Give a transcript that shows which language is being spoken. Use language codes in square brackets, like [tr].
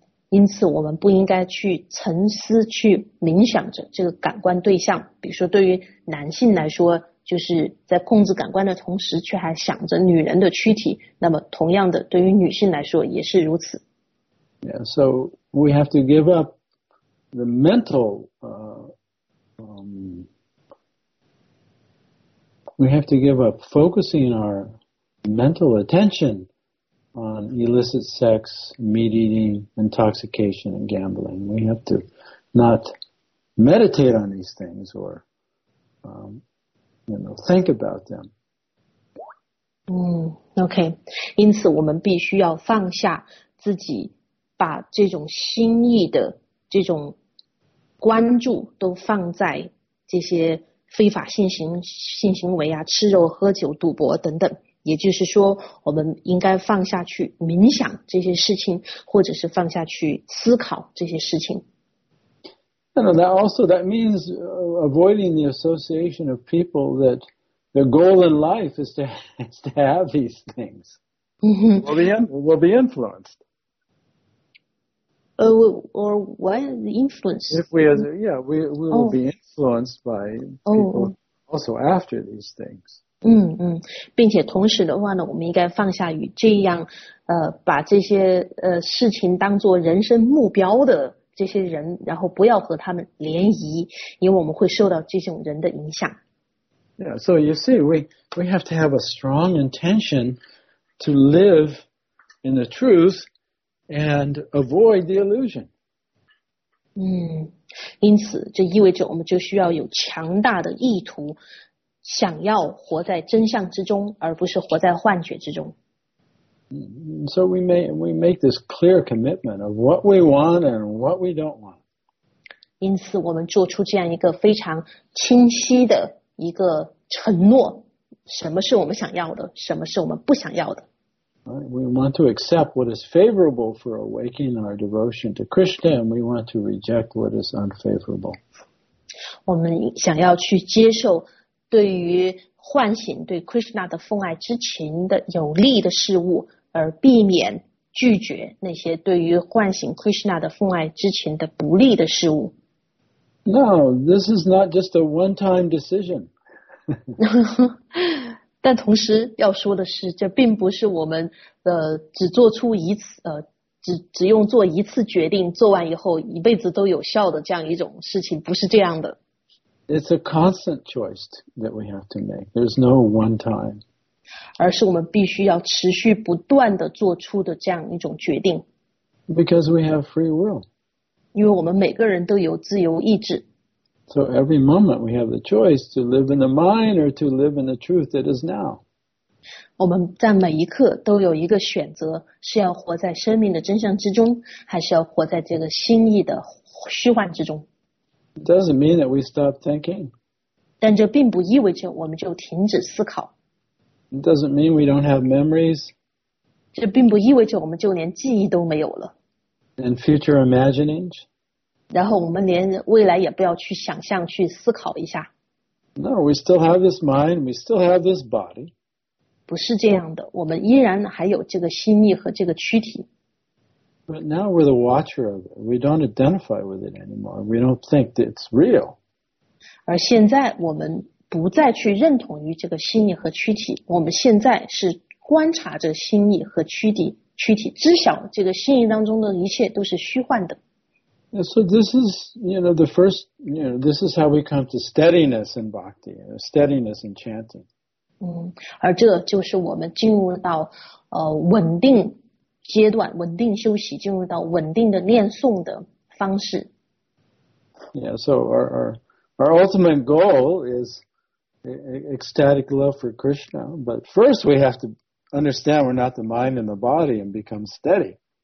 [zh] 因此我们不应该去沉思去冥想着这个感官对象，比如说对于男性来说，就是在控制感官的同时却还想着女人的躯体，那么同样的对于女性来说也是如此。 [en] Yeah, so we have to give up the mental we have to give up focusing our mental attention on illicit sex, meat eating, intoxication, and gambling. We have to not meditate on these things or, think about them. Okay. [zh] 因此我们必须要放下自己把这种心意的这种关注都放在这些非法性行为啊，吃肉、喝酒、赌博等等，也就是说我们应该放下去冥想这些事情，或者是放下去思考这些事情。 [en] And that also that means avoiding the association of people that their goal in life is to have these things. We'll be influenced. Or why the influence? We will be influenced by people also after these things. [zh] 并且同时的话呢，我们应该放下与这样把这些事情当作人生目标的这些人，然后不要和他们联谊，因为我们会受到这种人的影响。 [en] Yeah, so you see, we have to have a strong intention to live in the truth and avoid the illusion. [zh] 因此这意味着我们就需要有强大的意图，想要活在真相之中，而不是活在幻觉之中。 [en] So we make this clear commitment of what we want and what we don't want. [zh] 因此我们做出这样一个非常清晰的一个承诺，什么是我们想要的，什么是我们不想要的。 [en] We want to accept what is favorable for awakening our devotion to Krishna, and we want to reject what is unfavorable. [zh] 我们想要去接受对于唤醒对 Krishna 的奉爱之情的有利的事物，而避免拒绝那些对于唤醒 Krishna 的奉爱之情的不利的事物。 [en] No, this is not just a one-time decision. [zh] 但同时要说的是，这并不是我们只做出一次只用做一次决定，做完以后一辈子都有效的这样一种事情，不是这样的。 [en] It's a constant choice that we have to make. There's no one time. [zh] 而是我们必须要持续不断的做出的这样一种决定。 [en] Because we have free will. [zh] 因为我们每个人都有自由意志。 [en] So every moment we have the choice to live in the mind or to live in the truth that is now. [zh] 我们在每一刻都有一个选择，是要活在生命的真相之中，还是要活在这个心意的虚幻之中。 [en] It doesn't mean that we stop thinking. [zh] 但这并不意味着我们就停止思考。 [en] It doesn't mean we don't have memories. [zh] 这并不意味着我们就连记忆都没有了。 [en] And future imaginings. [zh] 然后我们连未来也不要去想象去思考一下。 [en] No, we still have this mind, we still have this body. [zh] 不是这样的，我们依然还有这个心意和这个躯体。 [en] But now we're the watcher of it. We don't identify with it anymore. We don't think that it's real. [zh] 而现在我们不再去认同于这个心意和躯体，我们现在是观察着心意和躯体，知晓这个心意当中的一切都是虚幻的。 [en] So this is, you know, the first, you know, this is how we come to steadiness in bhakti, steadiness in chanting. [zh] 而这就是我们进入到稳定阶段，稳定休息，进入到稳定的念诵的方式。 [en] Yeah, so our ultimate goal is ecstatic love for Krishna, but first we have to understand we're not the mind and the body and become steady.